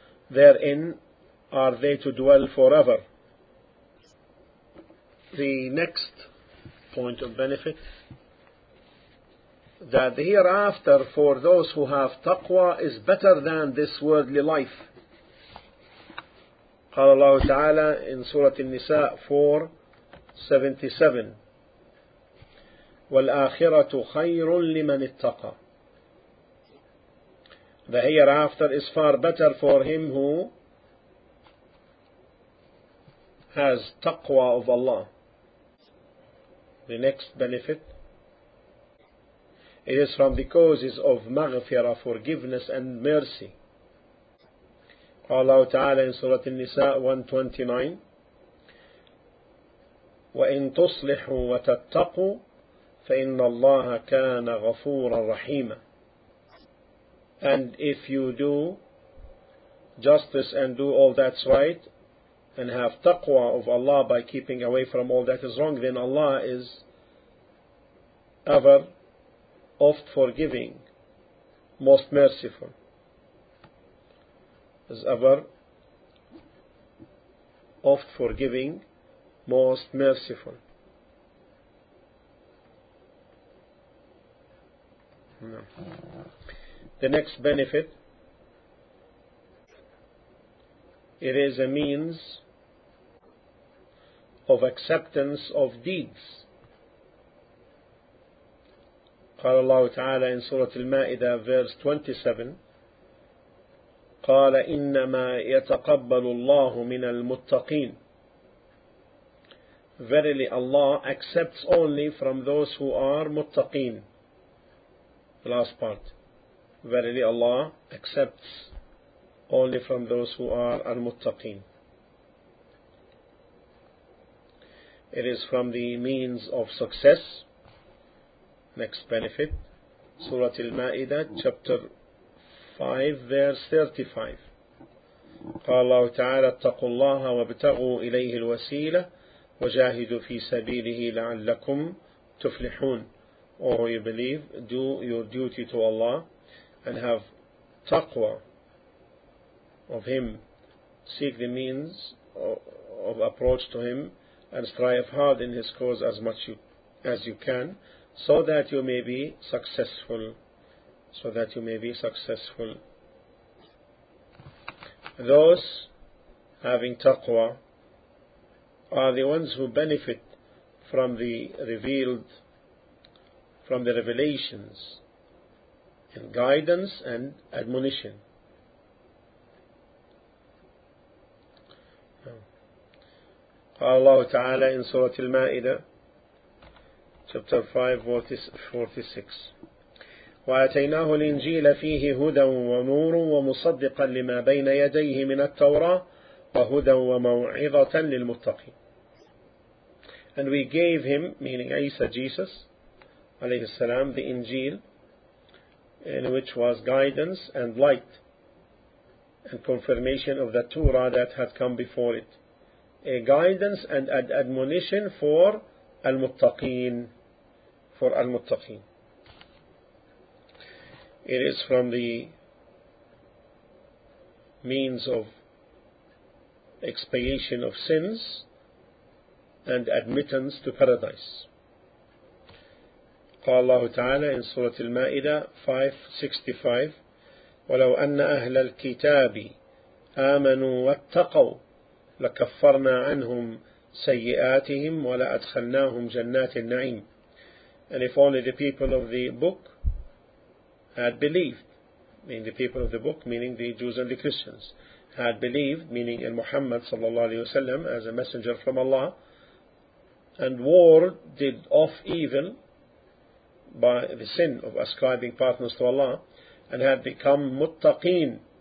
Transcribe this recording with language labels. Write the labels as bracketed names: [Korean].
[English] Therein are they to dwell forever. The next point of benefit, that the hereafter for those who have taqwa is better than this worldly life. [Arabic] قال الله تعالى in Surah النساء 4:77. والآخرة خير لمن اتقى. [English] The hereafter is far better for him who has taqwa of Allah. The next benefit, it is from the causes of maghfira, forgiveness and mercy. [Arabic] قال الله تعالى in Surah النساء 1:29. وَإِن تُصْلِحُوا وَتَتَّقُوا فَإِنَّ اللَّهَ كَانَ غَفُورًا رَحِيمًا. [English] And if you do justice and do all that's right and have taqwa of Allah by keeping away from all that is wrong, then Allah is ever oft forgiving, most merciful. Is ever oft forgiving, most merciful. The next benefit, it is a means of acceptance of deeds. [Arabic] قال الله تعالى in سورة المائدة verse 27 قال إنما يتقبل الله من المتقين. [English] Verily Allah accepts only from those who are muttaqeen. The last part. Verily Allah accepts only from those who are al-muttaqeen. It is from the means of success. Next benefit. Surah Al-Ma'idah, chapter 5, verse 35. [Arabic] قال الله تعالى اتقوا الله وابتغوا إليه الوسيلة وجاهدوا في سبيله لعلكم تفلحون. [English] Or you believe, do your duty to Allah and have taqwa of Him. Seek the means of approach to Him and strive hard in His cause as much as you can, so that you may be successful. So that you may be successful. Those having taqwa are the ones who benefit from the revealed, from the revelations and guidance and admonition. [Arabic] قال الله تعالى in سورة المائدة chapter 5:46 وآتيناه الإنجيل فيه هدى ونور ومصدقا لما بين يديه من التوراة وهدى وموعظة للمتقين. [English] And we gave him, meaning Isa, Jesus, alayhi salam, the Injil, in which was guidance and light, and confirmation of the Torah that had come before it. A guidance and an admonition for al-muttaqeen, for al-muttaqeen. It is from the means of expiation of sins, and admittance to paradise. [Arabic] قال الله تعالى in سورة المائدة 5:65 ولو أن أهل الكتاب آمنوا واتقوا لكفرنا عنهم سيئاتهم ولأدخلناهم جنات النعيم. [English] And if only the people of the book had believed, meaning the people of the book, meaning the Jews and the Christians, had believed, meaning in Muhammad [Arabic] صلى الله عليه وسلم [English] as a messenger from Allah, and warded off evil by the sin of ascribing partners to Allah, and had become muttaqeen,